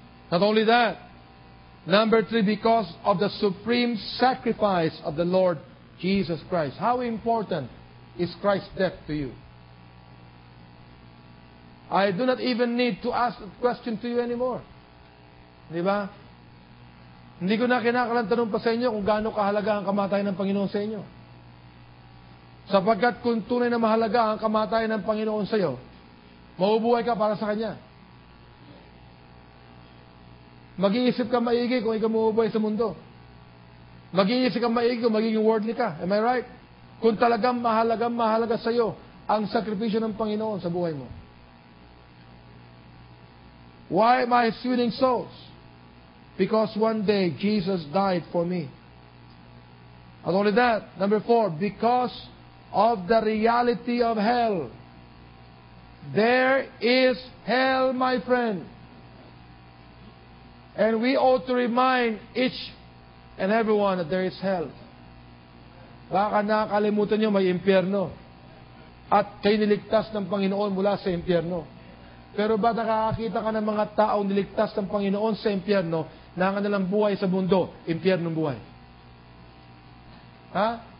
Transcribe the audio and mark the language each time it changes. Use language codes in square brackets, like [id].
[en] Not only that, number three, because of the supreme sacrifice of the Lord Jesus Christ. How important is Christ's death to you? I do not even need to ask the question to you anymore. [tl] Diba? Hindi ko na kinakailangan tanong pa sa inyo kung gaano kahalaga ang kamatayan ng Panginoon sa inyo. Sapagkat kung tunay na mahalaga ang kamatayan ng Panginoon sa iyo, mabubuhay ka para sa Kanya. Mag-iisip ka maigi kung ikaw mabubuhay sa mundo. Mag-iisip ka maigi kung magiging worldly ka. [en] Am I right? [tl] Kung talagang mahalaga sa iyo ang sakripisyo ng Panginoon sa buhay mo. [en] Why am I winning souls? Because one day Jesus died for me. Not only that, number four, because of the reality of hell. There is hell, my friend. And we ought to remind each and everyone that there is hell. [tl] Baka nakalimutan nyo may impyerno. At kayo niligtas ng Panginoon mula sa impyerno. Pero ba nakakakita ka ng mga taong niligtas ng Panginoon sa impyerno na ang kanilang buhay sa mundo, impyernong buhay? Ha?